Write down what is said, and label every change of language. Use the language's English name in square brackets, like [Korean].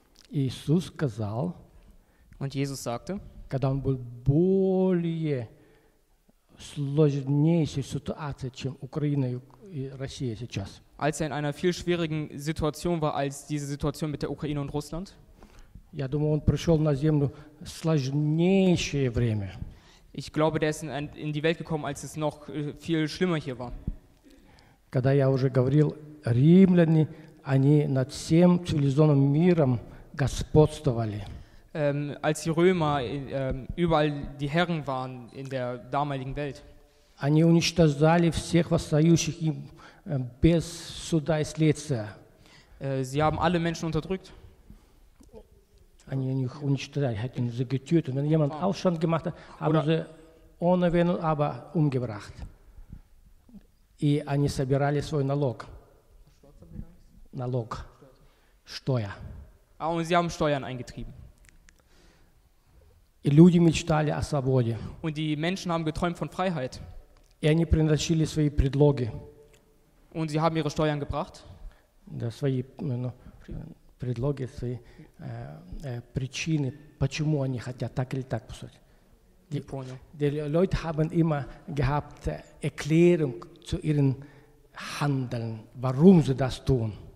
[Russian] Иисус сказал, [German] und Jesus sagte, [Russian] когда он был более сложнейшей ситуации, чем Украина и Россия сейчас. [German] Als er in einer viel schwierigen Situation war, als diese Situation mit der Ukraine und Russland. [Russian] Я думаю, он пришел на землю сложнейшее время. [German] Ich glaube, der ist in die Welt gekommen, als es noch viel schlimmer hier war. [Russian] Когда я уже говорил, римляне, они над всем цивилизованным миром господствовали. [German] Als die Römer überall die Herren waren in der damaligen Welt. [Russian] Они уничтожали всех восстающих им без суда и следствия. [German] Sie haben alle Menschen unterdrückt. [Russian] Они их уничтожали, [German] hatten sie getötet. Wenn jemand Aufstand gemacht hat, haben sie ohne Wenn und Aber umgebracht. [Russian] И они собирали свой налог. Налог. Steuer. [German] Ah, und sie haben Steuern eingetrieben. [Russian] И люди мечтали о свободе. [German] Und die Menschen haben geträumt von Freiheit. [Russian] И они приносили свои предлоги. [German] Und sie haben ihre Steuern gebracht. [Russian] Да, свои предлоги, свои причины, почему они хотят так или так поступить. Я понял. [German] Die Leute haben immer gehabt Erklärung zu ihren Handeln, warum sie das tun.